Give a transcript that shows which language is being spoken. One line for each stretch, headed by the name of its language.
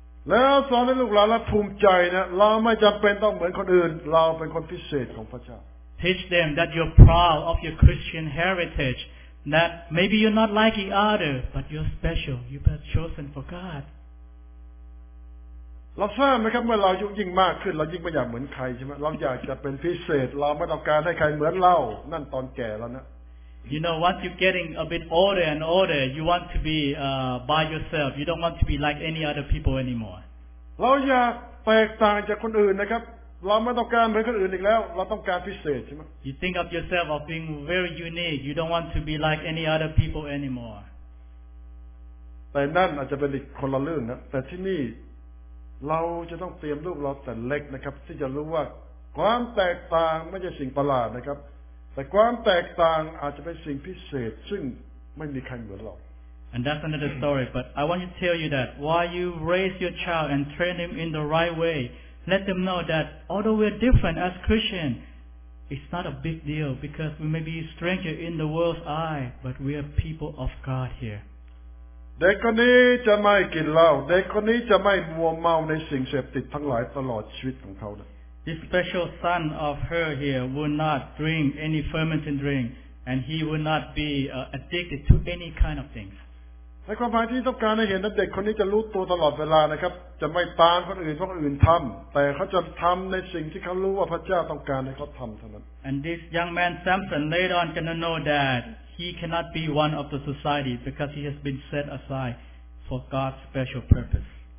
Thai: แล้วสอนให้ลูกหลานภูมิใจนะเราไม่จำเป็นต้องเหมือนคนอื่นเราเป็นคนพิเศษของพระเจ้า
English: Teach them that you're proud of your Christian heritage, that maybe you're not like the other, but you're special. You've been chosen for God.
Thai: เราทราบไหมครับเมื่อเราอายุยิ่งมากขึ้นเรายิ่งไม่อยากเหมือนใครใช่ไหมเราอยากจะเป็นพิเศษเราไม่ต้องการให้ใครเหมือนเรานั่นตอนแก่แล้วนะ
English: You know once you're getting a bit older and older you want to be by yourself you don't want to be like any other people anymore
Thai: เราอยากแตกต่างจากคนอื่นนะครับเราไม่ต้องการเหมือนคนอื่นอีกแล้วเราต้องการพิเศษใช่ไหม
English: You think of yourself of being very unique you don't want to be like any other people anymore
Thai: แต่นั่นอาจจะเป็นอีกคนละเรื่องนะแต่ที่นี่เราจะต้องเตรียมลูกเราแต่เล็กนะครับที่จะรู้ว่าความแตกต่างไม่ใช่สิ่งประหลาดนะครับแต่ความแตกต่างอาจจะเป็นสิ่งพิเศษซึ่งไม่มีใครเหมือนเรา
English: And that's another story but I want to tell you that while you raise your child and train him in the right way let them know that although we're different as Christian it's not a big deal because we may be stranger in the world's eye but we are people of God here
Thai: เด็กคนนี้จะไม่กินเหล้าเด็กคนนี้จะไม่มัวเมาในสิ่งเสพติดทั้งหลายตลอดชีวิตของเขานะ
English: This special son of her here will not drink any fermented drink and he will not be addicted to any kind of things
Thai: ในความหมายที่ต้องการให้เห็นนั้นเด็กคนนี้จะรู้ตัวตลอดเวลานะครับจะไม่ตามคนอื่นเพราะคนอื่นทำแต่เขาจะทำในสิ่งที่เขารู้ว่าพระเจ้าต้องการให้เขาทำเท่านั้น
English: And this young man Samson later on gonna know thatHe cannot be one of the society because he has been set aside for God's special purpose.